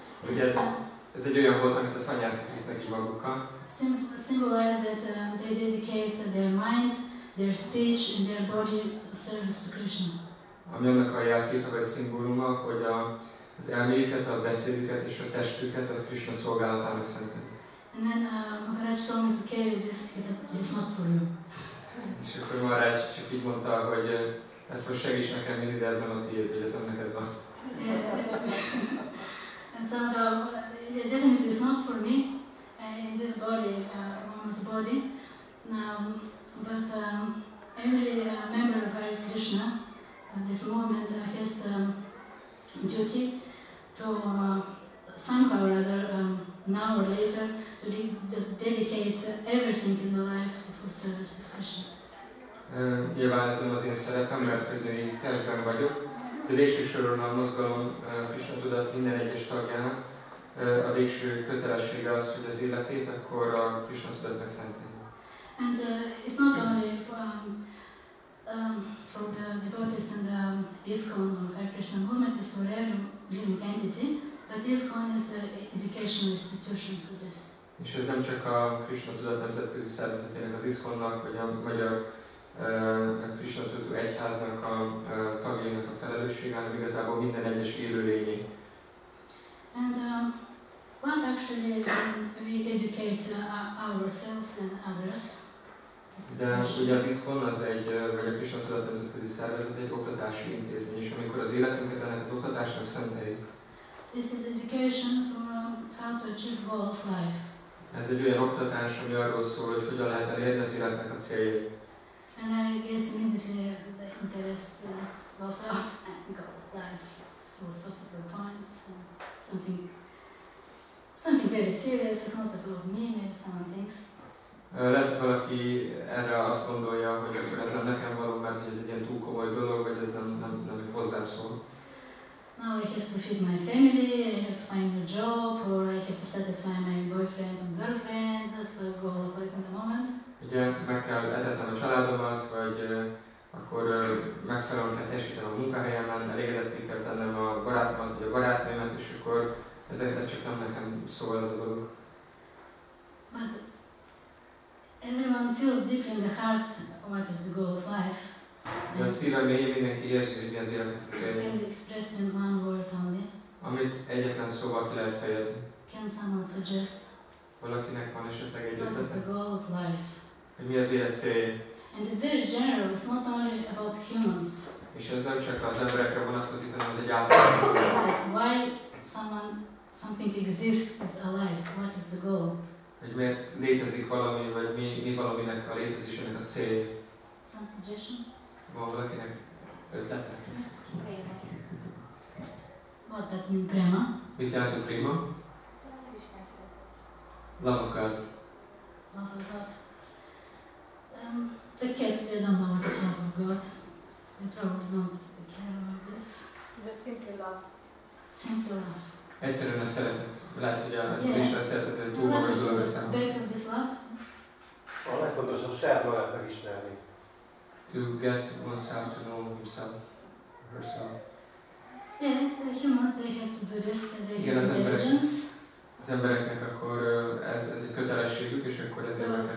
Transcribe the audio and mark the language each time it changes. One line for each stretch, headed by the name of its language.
Hungarian: Ugye ez egy olyan volt, amit a szanyászok visznek így magukkal.
English: Symbolize that they dedicate their mind, their speech and their body to service to Krishna.
Hungarian: Ami annak a jelképe vagy szimbóluma, hogy az elméjüket, a beszédüket és a testüket az Krishna szolgálatának szentelik.
English: And then Maharaj told me to carry this, he said, this is not for you.
Hungarian: És akkor Maharaj csak így mondta, hogy ezt most segíts nekem mindig, de ez nem a tiéd, vagy ez nem neked van.
English: Yeah. And somehow, yeah, definitely it's not for me, in this body, woman's body. But every member of Hare Krishna, at this moment, has duty to somehow or other, now or later, to dedicate everything in the life for service of Krishna.
Hungarian: Nyilván ez nem az én szerepem, mert hogy női testben vagyok, de végső soron a mozgalom Krishna tudat minden egyes tagjának a végső kötelessége az, hogy az életét akkor a Krishna tudat megszenteni.
English: And it's not only for the devotees and the ISKCON or Hare Krishna movement, it's for every living entity. But ISKCON is the educational institution for this.
Hungarian: És ez nem csak a Krishna tudat nemzetközi szervezetének, az ISKCON-nak, vagy a magyar a Krishna tudatú egyháznak a tagjainak a felelőssége, hanem igazából minden egyes élő lényé.
English: And what actually we educate ourselves and others?
Hungarian: De ugye az ISKCON az egy, vagy a Krishna tudat nemzetközi szervezet, egy oktatási intézmény, és amikor az életünket ennek az oktatásnak szenteljük.
English: This is education for how to achieve goal of life.
Hungarian: Ez egy olyan oktatás, ami arról szól, hogy hogyan lehet elérni az életnek a céljait.
English: And I guess immediately the interest goes out and got life philosophical points and something very serious, it's not about me, maybe someone thinks.
Hungarian: Lehet, valaki erre azt gondolja, hogy akkor ez nem nekem való, mert ez egy ilyen túl komoly dolog, vagy ez nem hozzám szól.
English: Now I have to feed my family, I have to find a job, or I have to satisfy my boyfriend and girlfriend, that's the goal of life in the moment.
Hungarian: Ugye meg kell etetnem a családomat, vagy akkor megfelelően kell teljesítenem a munkahelyemen, elégedetté kell tennem a barátomat, vagy a barátnőmet, és akkor ez csak nem nekem szól ez a dolog.
English: But everyone feels deep in the heart what is the goal of life.
Hungarian: De a szívem mélyén mindenki érzi, hogy mi az életnek a célja.
English: Can be expressed in one word only.
Hungarian: Amit egyetlen szóval ki lehet fejezni.
English: Can someone suggest?
Hungarian: Valakinek van esetleg egy ötlete?
English: What is the goal of life?
Hungarian: Hogy mi az élet célja?
English: And it's very general, it's not only about humans.
Hungarian: És ez nem csak az emberekre vonatkozik, hanem az egy általános.
English: Why something exists as a life? What is the goal?
Hungarian: Hogy miért létezik valami, vagy mi valaminek a létezésének a cél.
English: Some suggestions?
Hungarian: Van valakinek ötlete?
Sanskrit: Prema.
English: What that mean, prema?
Hungarian: Mit jelent a prema? Az Isten szeretet.
English: Love of God. Love of God. The kids, they don't know what is love of God. They probably don't care about this. Just simple love. Simple love.
Hungarian: Egyszerűen a szeretet. Lehet, hogy az Isten szeretet, ez túl magas dolog a számomra.
English: What is the back of this love?
Hungarian: A legfontosabb, saját magát megismerni.
English: To get oneself to know himself, herself. Yeah, the humans, they have to do this, they have intelligence.
Hungarian: Az embereknek akkor ez egy kötelességük, és akkor ezért meg kell